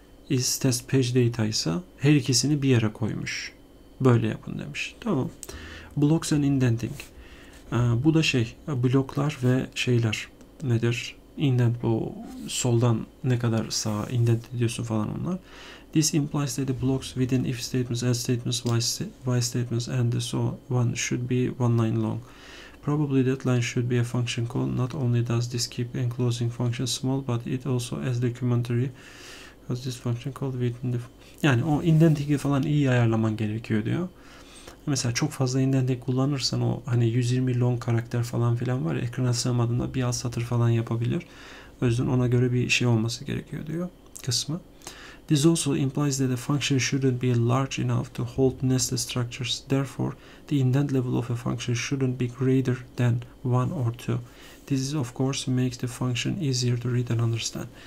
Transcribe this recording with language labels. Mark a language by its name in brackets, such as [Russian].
[English] Is test page data [Turkish] ise her ikisini bir yere koymuş. Böyle yapın demiş. Tamam. [English] Blocks and indenting. [Turkish] Bu da şey. Bloklar ve şeyler. Nedir? Indent, bu soldan ne kadar sağa indent ediyorsun falan onlar. [English] This implies that the blocks within if statements, else statements, while statements and so on should be one line long. Probably that line should be a function call. Not only does this keep enclosing function small, but it also adds the commentary because this function call within the. [Turkish] Yani o indenting'i falan iyi ayarlaman gerekiyor diyor. Mesela çok fazla indent kullanırsan, o hani 120 long karakter falan filan var ya, ekrana sığmadığında bir alt satır falan yapabilir. O yüzden ona göre bir şey olması gerekiyor diyor kısmı. [English] This also implies that a function shouldn't be large enough to hold nested structures. Therefore, the indent level of a function shouldn't be greater than one or two. This of course makes the function easier to read and understand.